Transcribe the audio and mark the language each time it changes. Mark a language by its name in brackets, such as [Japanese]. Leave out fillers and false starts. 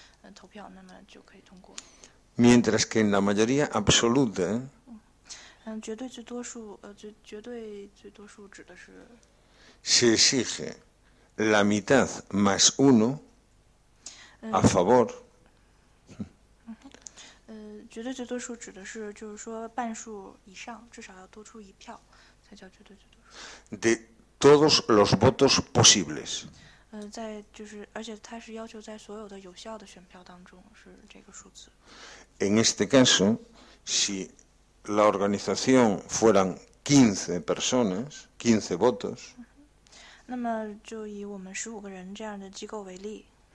[Chinese] 他举了一个例子，是说那个简单多数，指的比如说是我们现在是15个人，那么如果有14个人弃权，一个人投票，那么就可以通过。 [Spanish] Mientras que en la mayoría absoluta, [Chinese] 绝对最多数指的是 [Spanish] se exige la mitad más uno a favor. [Chinese] 绝对最多数指的是，就是说半数以上，至少要多出一票，才叫绝对最多数。 [Spanish] De todos los votos posibles. [Chinese] 在就是，而且它是要求在所有的有效的选票当中是这个数字。 [Spanish] En este caso, si la organización fueran 15 personas, 15 votos. [Chinese] 那么就以我们15个人这样的机构为例。